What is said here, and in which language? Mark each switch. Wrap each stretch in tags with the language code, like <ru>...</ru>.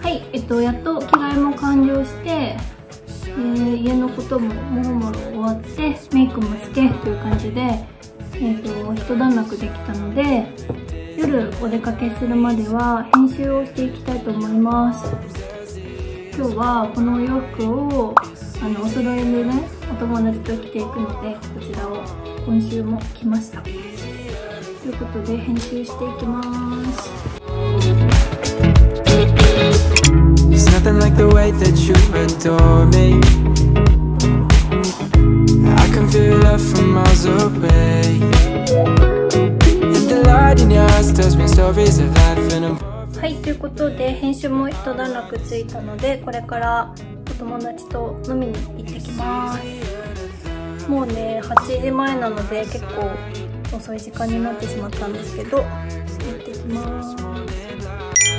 <ja>はい、やっと着替えも完了して、家のことももろもろ終わってメイクもしてという感じで、一段落できたので夜お出かけするまでは編集をしていきたいと思います。今日はこのお洋服をお揃いでね、お友達と着ていくので、こちらを今週も着ました。ということで、編集していきまーす。</ja> <en>It's nothing like the way that you adore me. I can feel love from miles away. If the light in your eyes tells me stories of life and I'm...</en> <ja>はい、ということで編集も一段落ついたので、これからお友達と飲みに行ってきます。もうね、8時前なので結構遅い時間になってしまったんですけど、行ってきます。</ja>